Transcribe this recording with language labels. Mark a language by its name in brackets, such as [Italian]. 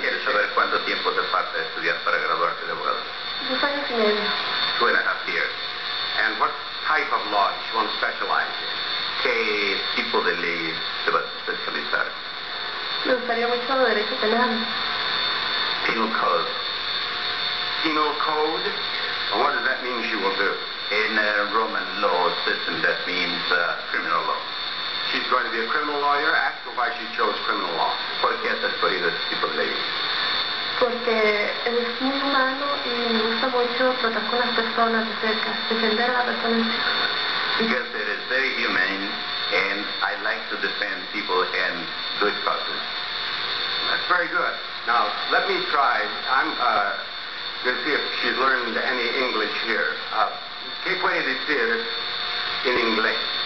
[Spanish] ¿Quieres saber cuánto tiempo te falta estudiar para graduarte de abogado? 2 años y medio. [English] 2.5 years. And what type of law do you want to specialize in? [Spanish] ¿Qué tipo de ley te vas a especializar? Me gustaría mucho derecho penal. [English] Penal code. Penal code? And what does that mean she will do? In a Roman law system, that means criminal law. She's going to be a criminal lawyer. Ask her why she chose criminal law. [Spanish] ¿Por qué has escogido este tipo de ley? Porque es muy humano y me gusta mucho tratar con las personas de cerca, defender a las personas. [English] Because it is very humane, and I like to defend people and good causes. That's very good. Now, let me try. I'm going to see if she's learned any English here. [Spanish] ¿Qué puede decir in English?